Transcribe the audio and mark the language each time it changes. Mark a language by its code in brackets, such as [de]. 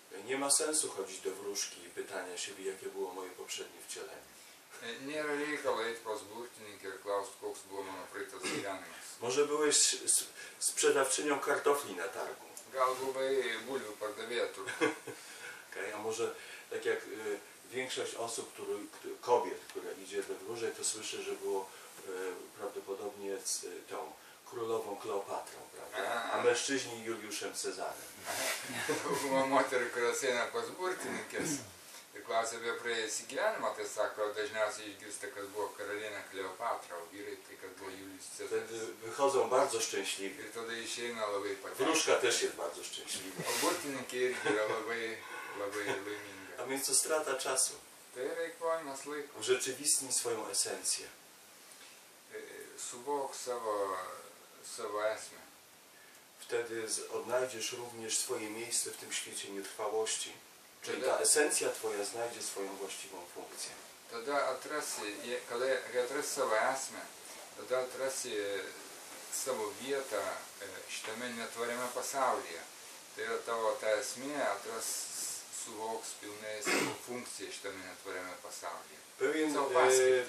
[pl] Nie ma sensu chodzić do wróżki i pytania siebie, jakie było moje poprzednie wcielenie. [lt] Nie reikia eiti pas burtininką ir klausti, koks buvo mano praeitas gyvenimas. [pl] Może byłeś sprzedawczynią kartofli na targu. [lt] Gal buvai bulvių pardavėja turbūt. [pl] A może tak jak większość osób, kobiet, które idzie do wróżek, to słyszy, że było prawdopodobnie z tą królową Kleopatrą, prawda? A mężczyźni Juliuszem Cezarem. [lt] Buvo moterų, kurios eina pas burtininkės ir klausia apie praėjusį gyvenimą, tai sako, dažniausiai išgirsta, kad buvo karalienė Kleopatra, o vyrai tai, kad buvo Julius Cezaris. [pl] Vychodzą bardzo szczęśliwi. [lt] Ir tada išeina labai patenkinti. [pl] Vruška też jest bardzo szczęśliwa. [lt] O burtininkė irgi yra labai, labai laiminga. [pl] A więc to strata czasu. [lt] Tai yra įkvojimas laiko. [pl] Urzeczywistni swoją esencję. [lt] Suvok savo esmę. [pl] Wtedy odnajdziesz również swoje miejsce w tym świecie nietrwałości. Czyli ta esencja twoja znajdzie swoją właściwą funkcję. [lt] Tada atrasi, kiedy atrasi savo esmę, tada atrasi savo vietą šitame netvariame pasaulyje. Tai yra tavo ta esmė, atras suvoks pilnai savo funkciją šitame netvariame pasaulyje.